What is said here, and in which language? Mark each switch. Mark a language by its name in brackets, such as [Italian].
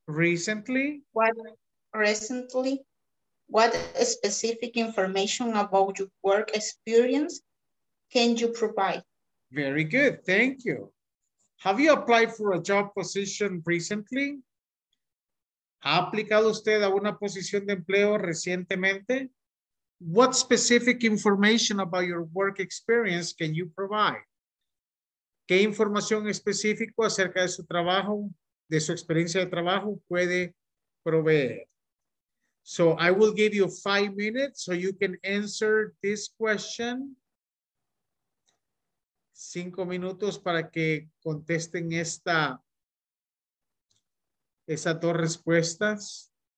[English] Recently? What, recently? What specific information about your work experience can you provide? Very good, thank you. Have you applied for a job position recently? [Spanish] ¿Ha aplicado usted a una posición de empleo recientemente? [English] What specific information about your work experience can you provide? [Spanish] ¿Qué información específica acerca de su trabajo, de su experiencia de trabajo puede proveer? [English] So I will give you 5 minutes so you can answer this question. [Spanish] 5 minutos para que contesten estas dos respuestas.